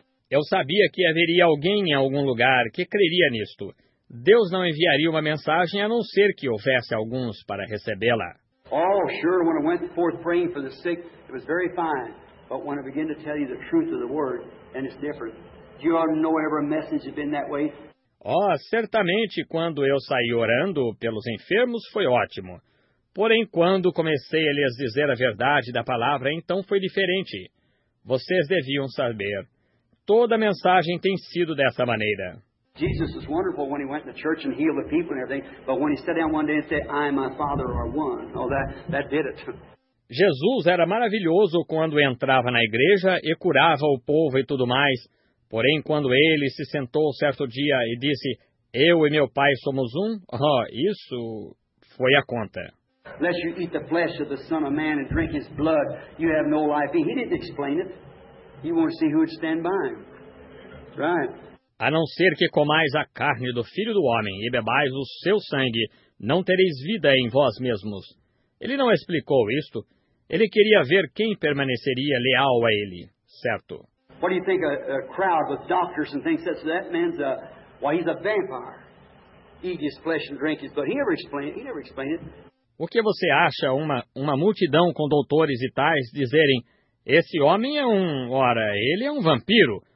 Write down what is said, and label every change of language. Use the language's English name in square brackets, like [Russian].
[Portuguese] Eu sabia que haveria alguém em algum lugar que creria nisto. Deus não enviaria uma mensagem a não ser que houvesse alguns para recebê-la. [English] Oh, sure, when I went forth praying for the sick, it was very fine. But when I begin to tell you the truth of the word, then it's different. You ought to know every message has been that way. [Portuguese] Oh, certamente, quando eu saí orando pelos enfermos, foi ótimo. Porém, quando comecei a lhes dizer a verdade da palavra, então foi diferente. Vocês deviam saber. Toda mensagem tem sido dessa maneira. [English] Jesus was wonderful when he went to church and healed the people and everything, but when he sat down one day and said, I and my Father are one, oh, that did it. [Portuguese] Jesus era maravilhoso quando entrava na igreja e curava o povo e tudo mais. Porém, quando ele se sentou certo dia e disse, eu e meu Pai somos um, isso foi a conta. [English] Unless you eat the flesh of the Son of Man and drink his blood, you have no life. He didn't explain it. He wanted to see who would stand by him. Right. [Portuguese] A não ser que comais a carne do Filho do Homem e bebais o seu sangue, não tereis vida em vós mesmos. Ele não explicou isto. Ele queria ver quem permaneceria leal a ele, certo? [English] What do you think a crowd with doctors and things says that man's a, well, he's a vampire. Eat his flesh and drink his blood. He never explained it. [Portuguese] O que você acha uma multidão com doutores e tais dizerem, esse homem é um, ora, ele é um vampiro.